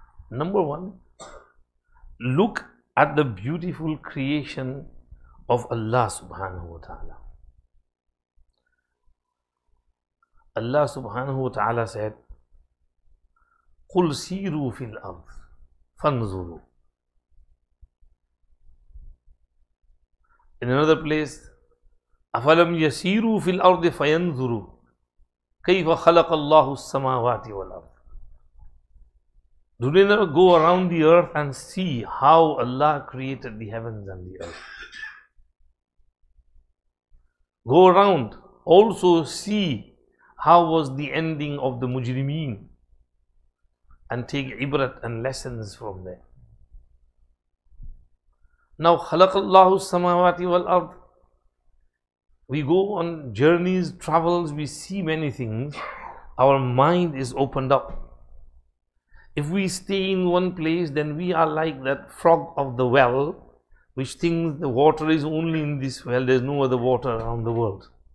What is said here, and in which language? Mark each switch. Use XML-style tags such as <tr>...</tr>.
<en>Number one, look at the beautiful creation of Allah subhanahu wa ta'ala. Allah subhanahu wa ta'ala said,</en> <ar>قُلْ سِيرُوا فِي الْأَرْضِ فَانْظُرُوا.</ar> <en>In another place,</en> <ar>أَفَلَمْ يَسِيرُوا فِي الْأَرْضِ فَيَنْظُرُوا كَيْفَ خَلَقَ اللَّهُ السَّمَاوَاتِ وَالْأَرْضِ.</ar> <en>Do they not go around the earth and see how Allah created the heavens and the earth? Go around, also see how was the ending of the mujrimeen and take ibrat and lessons from there.</en> <ar>Now, خَلَقَ اللَّهُ السَّمَاوَاتِ وَالْأَرْضِ.</ar> <en>We go on journeys, travels, we see many things. Our mind is opened up. If we stay in one place, then we are like that frog of the well, which thinks the water is only in this well, there's no other water around the world.</en>